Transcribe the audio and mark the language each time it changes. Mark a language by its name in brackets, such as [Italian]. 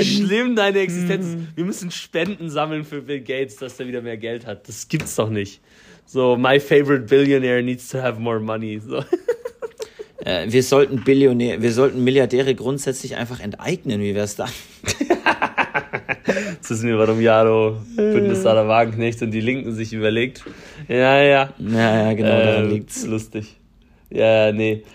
[German] Wie schlimm deine Existenz. Wir müssen Spenden sammeln für Bill Gates, dass er wieder mehr Geld hat. Das gibt's doch nicht. [English] So, my favorite billionaire needs to have more money. So. [German] Wir sollten Milliardäre grundsätzlich einfach enteignen, wie wär's da? Das ist mir, warum Jaro Bündnis aller Wagenknecht und die Linken sich überlegt. Ja, ja. Ja, ja, genau, daran liegt's. Lustig. Ja, nee.